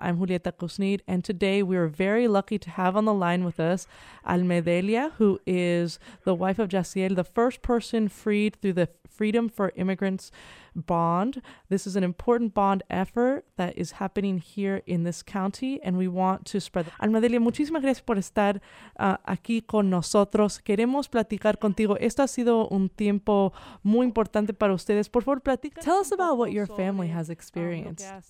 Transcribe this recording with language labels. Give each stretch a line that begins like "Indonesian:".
English: I'm Julieta Kuznir, and today we are very lucky to have on the line with us Almadelia, who is the wife of Jaciel, the first person freed through the Freedom for Immigrants bond. This is an important bond effort that is happening here in this county, and we want to spread.
Spanish: Almadelia, muchísimas gracias por estar aquí con nosotros. Queremos platicar contigo. Esto ha sido un tiempo muy importante para ustedes. Por favor, platica.
English: Tell us about what your family has experienced.